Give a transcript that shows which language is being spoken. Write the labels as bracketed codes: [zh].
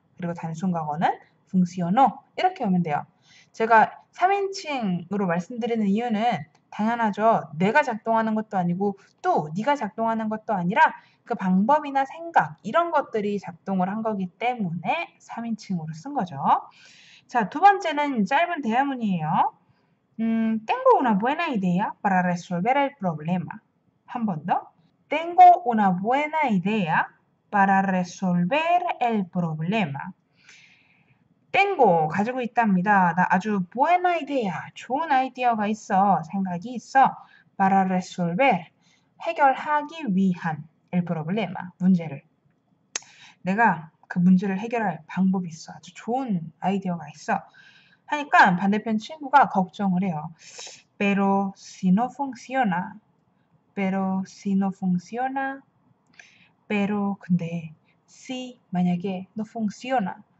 [ko] 그리고 단순 과거는 funcionó 이렇게 오면 돼요. 제가 3인칭으로 말씀드리는 이유는 당연하죠. 내가 작동하는 것도 아니고 또 네가 작동하는 것도 아니라 그 방법이나 생각 이런 것들이 작동을 한 거기 때문에 3인칭으로 쓴 거죠. 자, 두 번째는 짧은 대화문이에요. [es] Tengo una buena idea para resolver el problema. [ko] 한번 더. [es] Tengo una buena idea para resolver el problema. [ko] Tengo, 가지고 있답니다. 나 아주 [es] buena idea, [ko] 좋은 아이디어가 있어, 생각이 있어. [es] Para resolver, [ko] 해결하기 위한 [es] el problema, [ko] 문제를. 내가 그 문제를 해결할 방법이 있어, 아주 좋은 아이디어가 있어. 하니까 반대편 친구가 걱정을 해요. [es] Pero si no funciona, pero si no funciona, pero 근데 si 만약에 no funciona.